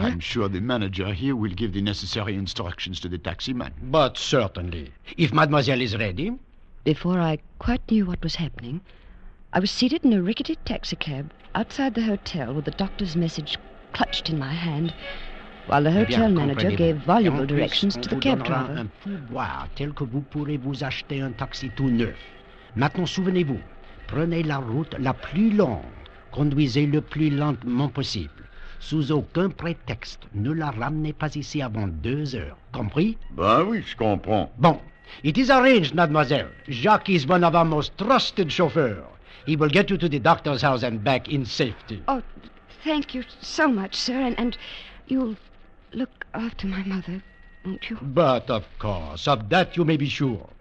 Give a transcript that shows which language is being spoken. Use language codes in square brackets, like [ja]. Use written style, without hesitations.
[en] I'm sure the manager here will give the necessary instructions to the taxi man. But certainly. If mademoiselle is ready. Before I quite knew what was happening, I was seated in a rickety taxicab outside the hotel with the doctor's message clutched in my hand, while the hotel manager gave voluble directions to the cab driver. [fr] Un pourboire tel que vous pourrez vous acheter un taxi tout neuf. Maintenant, souvenez-vous, prenez la route la plus longue. Conduisez le plus lentement possible. Sous aucun prétexte, ne la ramenez pas ici avant 2 heures. Compris? Ben oui, je comprends. [en] Bon, it is arranged, mademoiselle. Jacques is one of our most trusted chauffeurs. He will get you to the doctor's house and back in safety. Oh, thank you so much, sir. And you'll look after my mother, won't you? But of course, of that you may be sure.